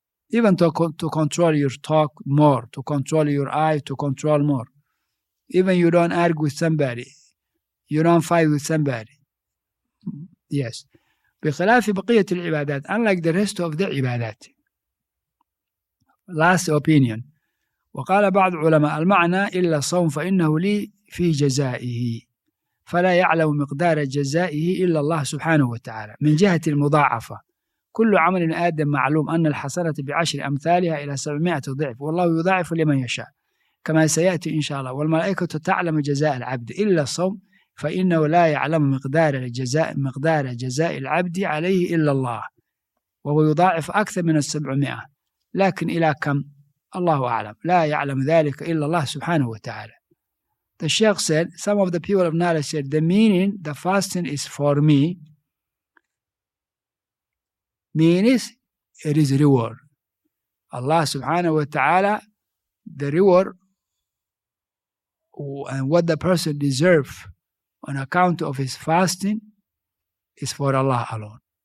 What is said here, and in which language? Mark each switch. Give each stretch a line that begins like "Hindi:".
English: Even to control your talk more, to control your eye, to control more. Even you don't argue with somebody, you don't fight with somebody. Yes.
Arabic: بخلاف بقية العبادات,
English: unlike the rest of the عبادات. Last opinion.
Arabic: وقال بعض علماء المعنى إلا صوم فإنه لي في جزائه. فلا يعلم مقدار جزائه إلا الله سبحانه وتعالى. من جهة المضاعفة. كل عمل آدم معلوم أن الحسنة بعشر أمثالها إلى 700 ضعف. والله يضاعف لمن يشاء. كما سيأتي إن شاء الله. والملائكة تعلم جزاء العبد إلا الصوم فإنه لا يعلم مقدار جزاء العبد عليه إلا الله. وهو يضاعف أكثر من 700. لكن إلى كم؟ الله أعلم. لا يعلم ذلك إلا الله سبحانه وتعالى.
English: The Sheikh said, some of the people of knowledge said, the meaning, the fasting is for me, means it is reward. Allah subhanahu wa ta'ala, the reward and what the person deserves on account of his fasting is for Allah alone.